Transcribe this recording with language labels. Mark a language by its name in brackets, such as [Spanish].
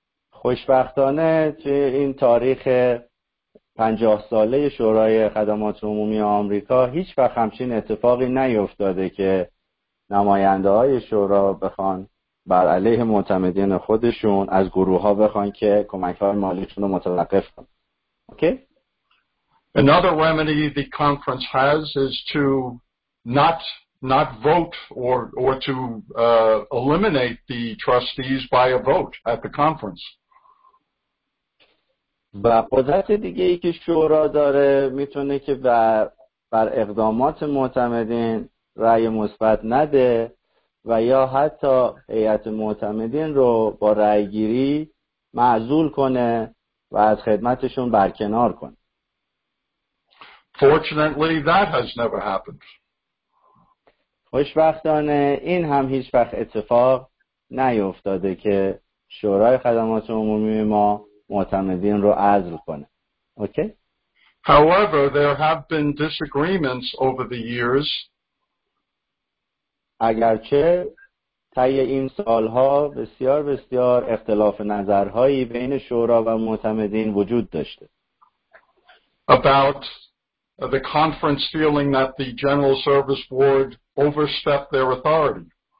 [Persian] خوشبختانه توی این تاریخ 50 ساله شورای خدمات عمومی آمریکا هیچ وقت همچین اتفاقی نیفتاده که نماینده های شورا بخوان بر علیه معتمدین خودشون از گروه ها بخوان که کمک های مالیشون رو متوقف کنن. [English] Okay? Another remedy the conference has is to not vote or to eliminate the trustees by a vote at the conference. [Persian] و قدرت دیگه ای که شورا داره میتونه که بر اقدامات معتمدین رأی مثبت نده و یا حتی هیئت معتمدین رو با رأی گیری معزول کنه و از خدمتشون برکنار کنه. [English] Fortunately that has never happened. [Persian] خوشبختانه این هم هیچ وقت اتفاق نیفتاده که شورای خدمات عمومی ما معتمدین رو عزل کنه. [English] Okay? However, there have been disagreements over the years. [Persian] اگرچه طی این سالها بسیار بسیار اختلاف نظرهایی بین شورا و معتمدین وجود داشته. [English] About the conference feeling that the General Service Board overstepped their authority.